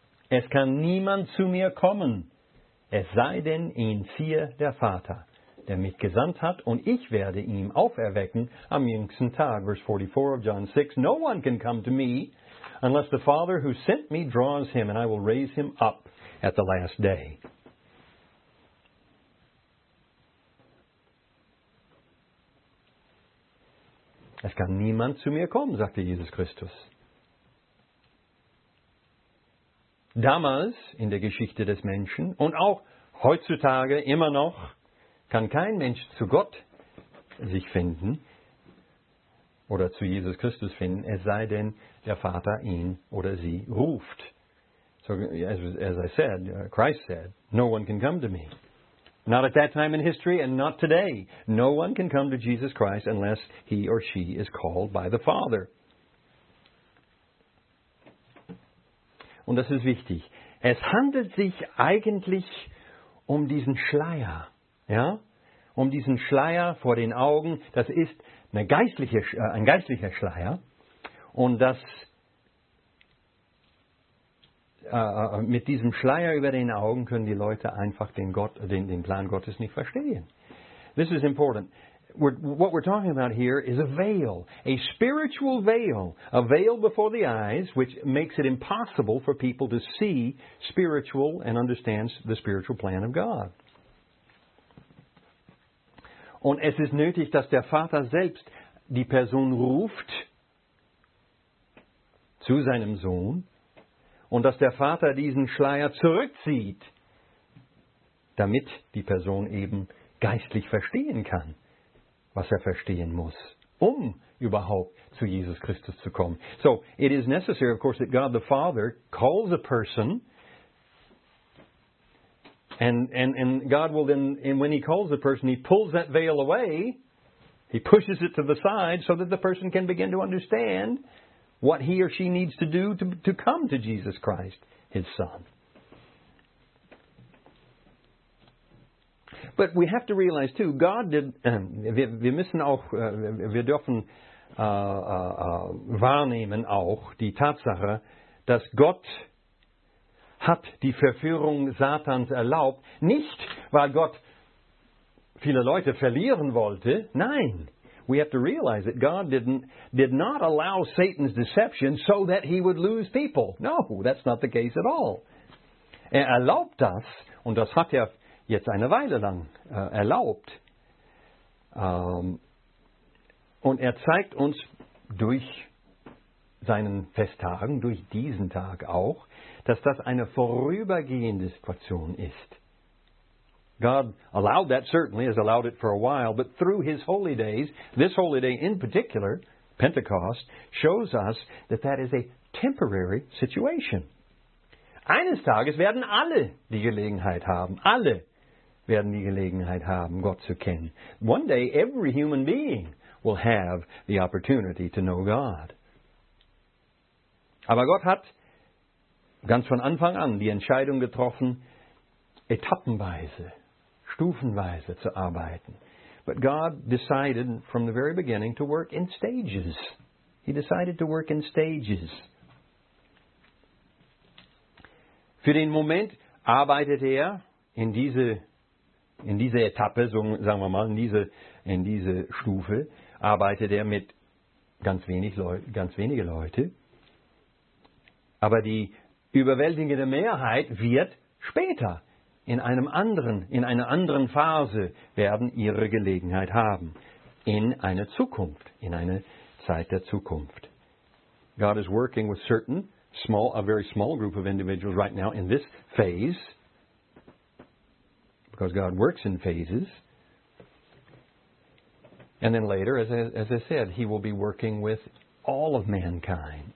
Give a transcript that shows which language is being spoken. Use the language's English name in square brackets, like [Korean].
[German] Es kann niemand zu mir kommen, es sei denn ihn ziehe der Vater, der mich gesandt hat, und ich werde ihn auferwecken am jüngsten Tag. [English] Verse 44 of John 6, no one can come to me, unless the Father who sent me draws him, and I will raise him up at the last day. [German] Es kann niemand zu mir kommen, sagte Jesus Christus. Damals in der Geschichte des Menschen und auch heutzutage immer noch kann kein Mensch zu Gott sich finden, oder zu Jesus Christus finden, es sei denn, der Vater ihn oder sie ruft. [English] So, as I said, Christ said, no one can come to me. Not at that time in history and not today. No one can come to Jesus Christ unless he or she is called by the Father. [German] Und das ist wichtig. Es handelt sich eigentlich um diesen Schleier. Ja? Um diesen Schleier vor den Augen, das ist ein geistlicher Schleier, und das mit diesem Schleier über den Augen können die Leute einfach den Plan Gottes nicht verstehen. [English] This is important. What we're talking about here is a veil, a spiritual veil, a veil before the eyes, which makes it impossible for people to see spiritual and understand the spiritual plan of God. [German] Und es ist nötig, dass der Vater selbst die Person ruft zu seinem Sohn und dass der Vater diesen Schleier zurückzieht, damit die Person eben geistlich verstehen kann, was er verstehen muss, um überhaupt zu Jesus Christus zu kommen. [English] So, it is necessary, of course, that God the Father calls a person. And God will then, and when he calls the person, he pulls that veil away, he pushes it to the side so that the person can begin to understand what he or she needs to do to come to Jesus Christ, his son. But we have to realize too, God did, [German] wir müssen auch, wir dürfen wahrnehmen auch die Tatsache, dass Gott hat die Verführung Satans erlaubt, nicht weil Gott viele Leute verlieren wollte, nein. [English] We have to realize that God did not allow Satan's deception so that he would lose people. No, that's not the case at all. [German] Er erlaubt das, und das hat er jetzt eine Weile lang erlaubt. Und er zeigt uns durch seinen Festtagen, durch diesen Tag auch, dass das eine vorübergehende Situation ist. [English] God allowed that, certainly has allowed it for a while, but through his holy days, this holy day in particular, Pentecost, shows us that that is a temporary situation. [German] Eines Tages werden alle die Gelegenheit haben, alle werden die Gelegenheit haben, Gott zu kennen. [English] One day, every human being will have the opportunity to know God. [German] Aber Gott hat ganz von Anfang an die Entscheidung getroffen, etappenweise, stufenweise zu arbeiten. [English] But God decided from the very beginning to work in stages. He decided to work in stages. [German] Für den Moment arbeitet er in diese Etappe, so sagen wir mal, in diese Stufe, arbeitet er mit ganz wenige Leute. Aber die überwältigende Mehrheit wird später in einer anderen Phase werden ihre Gelegenheit haben. In eine Zukunft, in eine Zeit der Zukunft. [English] God is working with a very small group of individuals right now in this phase. Because God works in phases. And then later, as I said, he will be working with all of mankind.